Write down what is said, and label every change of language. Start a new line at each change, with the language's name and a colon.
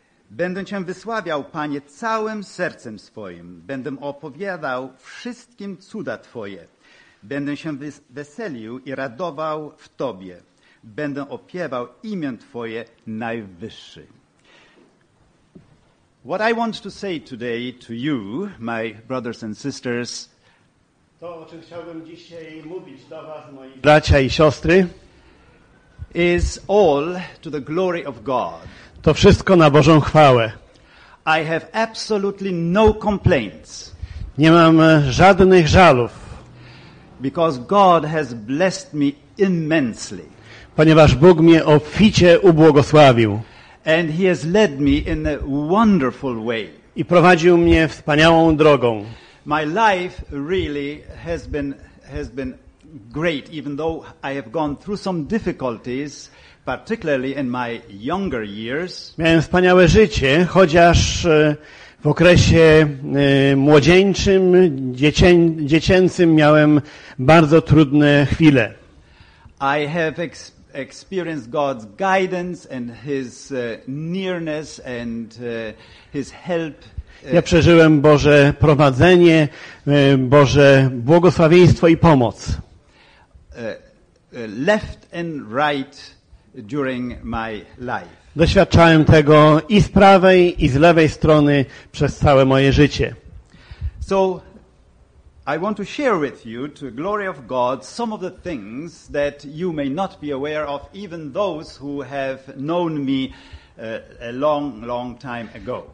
Polish: Będę Cię wysławiał, Panie, całym sercem swoim. Będę opowiadał wszystkim cuda Twoje. Będę się weselił i radował w Tobie. Będę opiewał imię Twoje najwyższe.
English: What I want to say today to you, my brothers and sisters,
Polish: to, o czym chciałbym dzisiaj mówić do was, moi bracia i siostry,
English: is all to the glory of God.
Polish: To wszystko na Bożą chwałę.
English: I have absolutely no complaints.
Polish: Nie mam żadnych żalów.
English: Because God has blessed me immensely.
Polish: Ponieważ Bóg mnie obficie ubłogosławił.
English: And he has led me in a wonderful way.
Polish: I prowadził mnie wspaniałą drogą.
English: My life really has been great, even though I have gone through some difficulties, particularly in my younger years.
Polish: Miałem wspaniałe życie, chociaż w okresie młodzieńczym, dziecięcym miałem bardzo trudne chwile.
English: I have experienced God's guidance and his nearness and his help.
Polish: Ja przeżyłem Boże prowadzenie, Boże błogosławieństwo i pomoc.
English: Left and right during my life.
Polish: Doświadczałem tego i z prawej i z lewej strony przez całe moje życie.
English: So I want to share with you, to the glory of God, some of the things that you may not be aware of, even those who have known me a long, long time ago.